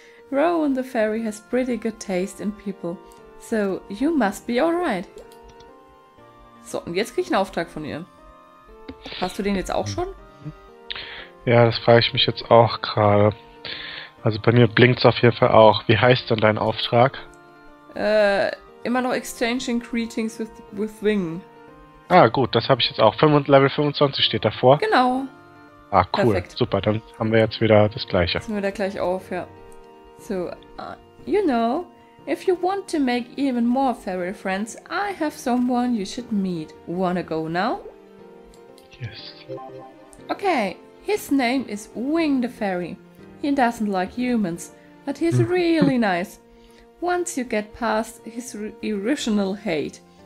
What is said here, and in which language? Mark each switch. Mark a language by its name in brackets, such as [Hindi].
[English] Rowan the fairy has pretty good taste in people. So you must be alright. [German] So, und jetzt krieg ich einen Auftrag von ihr. Hast du den jetzt auch schon? Ja, das frage ich mich jetzt auch gerade. Also bei mir blinkt's auf jeden Fall auch. Wie heißt denn dein Auftrag? Immer noch Exchanging Greetings with Wing. Ah, gut, das habe ich jetzt auch. Level 25 steht davor. Genau. Ah, cool. Perfekt. Super, dann haben wir jetzt wieder das Gleiche. Jetzt sind wir da gleich auf, ja. [English] So, you know, if you want to make even more fairy friends, I have someone you should meet. Wanna go now? Yes. Okay, his name is Wing the Fairy. He doesn't like humans, but he's really nice. Once you get past his irrational hate.